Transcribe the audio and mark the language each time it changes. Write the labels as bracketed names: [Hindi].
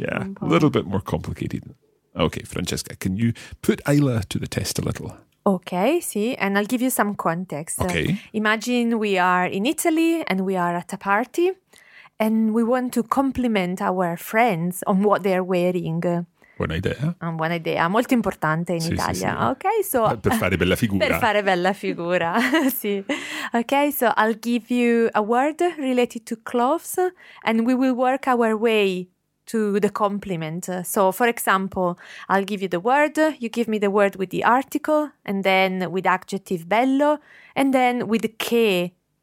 [English] Yeah, a little bit more complicated. Okay, Francesca, can you put Ayla to the test a little? Okay, sì, and I'll give you some context. Okay. Imagine we are in Italy and we are at a party and we want to compliment our friends on what they're wearing. [Italian] Buona idea. Buona idea, molto importante in Italia. Sì, sì. [English] Ok, so [Italian] per fare bella figura. Per fare bella figura, sì. [English] Ok, so I'll give you a word related to clothes and we will work our way to the compliment. So, for example, I'll give you the word, you give me the word with the article and then with adjective bello and then with che.